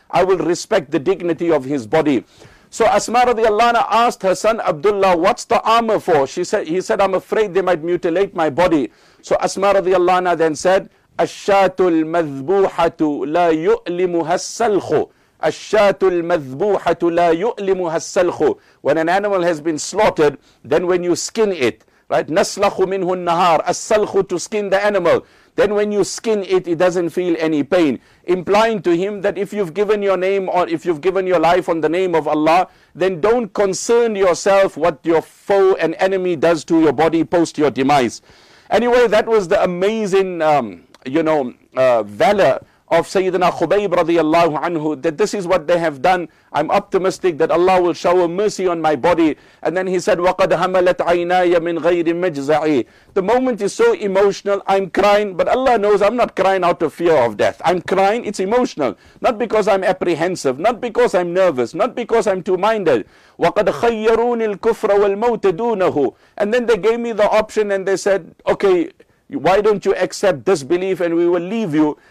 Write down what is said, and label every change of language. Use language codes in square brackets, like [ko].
[en] I will respect the dignity of his body. So Asma radiallahu anha asked her son Abdullah, what's the armor for? He said, I'm afraid they might mutilate my body. So Asma radiallahu anha then said, [ar] الشات المذبوحة لا يؤلمها السلخ. الشات المذبوحة لا يؤلمها السلخ. [en] When an animal has been slaughtered, then when you skin it, right? [ar] نسلخ منه النهار. [en] السلخ, to skin the animal. Then when you skin it, it doesn't feel any pain. Implying to him that if you've given your name or if you've given your life on the name of Allah, then don't concern yourself what your foe and enemy does to your body post your demise. Anyway, that was the amazing valor of Sayyidina Khubayb radiyallahu anhu, that this is what they have done. I'm optimistic that Allah will shower mercy on my body. And then he said, [ar] وَقَدْ هَمَلَتْ عَيْنَايَ مِنْ غَيْرِ مَجْزَعِي. [en] The moment is so emotional, I'm crying, but Allah knows I'm not crying out of fear of death. I'm crying, it's emotional. Not because I'm apprehensive, not because I'm nervous, not because I'm two-minded. [ar] وَقَدْ خَيَّرُونِ الْكُفْرَ وَالْمَوْتَ دُونَهُ. [en] And then they gave me the option and they said, okay, why don't you accept this belief and we will leave you?